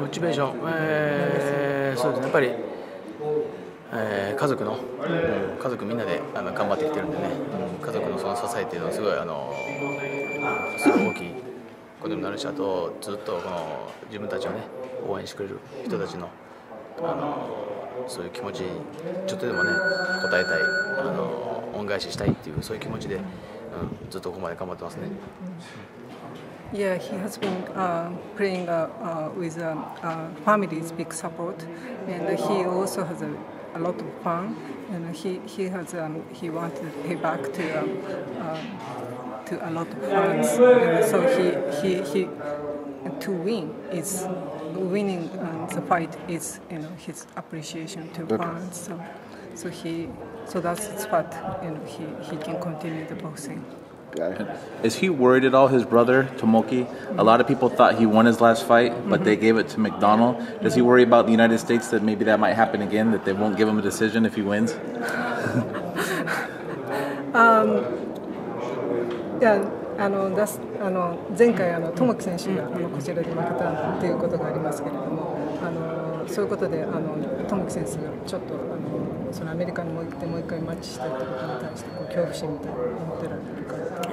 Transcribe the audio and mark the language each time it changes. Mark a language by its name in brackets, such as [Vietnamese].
[Japanese] モチベーション、そうですね、やっぱり、家族の、家族みんなであの頑張ってきてるんでね、家族のその支えっていうのはすごいあのすごい大きいことになるし、あとずっとこの自分たちをね応援してくれる人たちの、あのそういう気持ちにちょっとでもね応えたい、あの恩返ししたいっていうそういう気持ちで、ずっとここまで頑張ってますね。 [English] Yeah, he has been playing with family's big support, and he also has a lot of fun, and he has he wanted to pay back to to a lot of fans, and so he to win is. Winning the fight is, you know, his appreciation to fans. So that's what, you know, he can continue the boxing. Is he worried at all? His brother Tomoki. A lot of people thought he won his last fight, but they gave it to McDonald. Does he worry about the United States that maybe that might happen again? That they won't give him a decision if he wins? [Japanese] あの前回あの、トモキ選手があのこちらで負けたということがありますけれども、あのそういうことであのトモキ選手がちょっとあのそのアメリカに行ってもう一回マッチしたということに対してこう恐怖心みたいに思ってられるから。